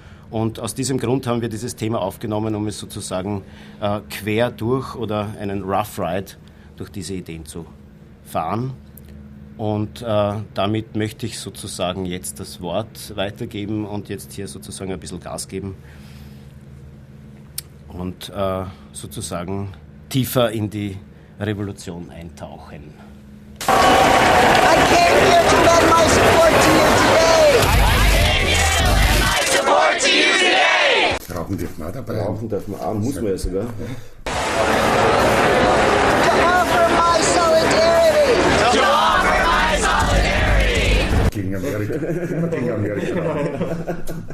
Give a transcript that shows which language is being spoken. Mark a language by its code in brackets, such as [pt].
[de] Und aus diesem Grund haben wir dieses Thema aufgenommen, um es sozusagen quer durch oder einen Rough Ride durch diese Ideen zu fahren. Und damit möchte ich sozusagen jetzt das Wort weitergeben und jetzt hier sozusagen ein bisschen Gas geben und sozusagen tiefer in die Revolution eintauchen. [en] I came here to lend my support to you today. [de] Rauchen darf man auch dabei. Rauchen darf man auch, muss man ja sogar. [en] To offer my solidarity! To offer my solidarity! [de] Gegen Amerika. Immer gegen Amerika.